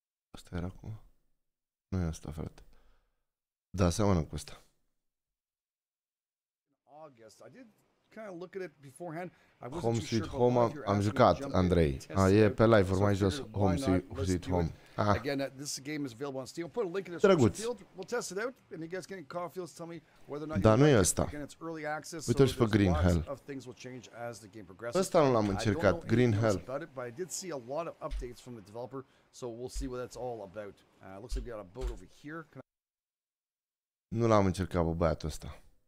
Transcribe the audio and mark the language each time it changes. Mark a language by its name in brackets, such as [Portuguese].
[Romanian] Asta era acum? Nu e asta, frate. Da, seamănă cu asta. [English] August, I did [Romanian] Home Sweet Home am jucat, Andrei. E pe live-ul mai jos, Home Sweet Home. [English] Again, this game is available on Steam. We'll put a link in the description. We'll test it out, and you guys can call Fields, tell me whether or not. [Romanian] Dar nu e ăsta. Uite-l și pe Green Hell. Ăsta nu l-am încercat, Green Hell. [English] But I did see a lot of updates from the developer, so we'll see what that's all about. Looks like we got a boat over here. [Romanian] Nu l-am încercat, bă, băiatul ăsta.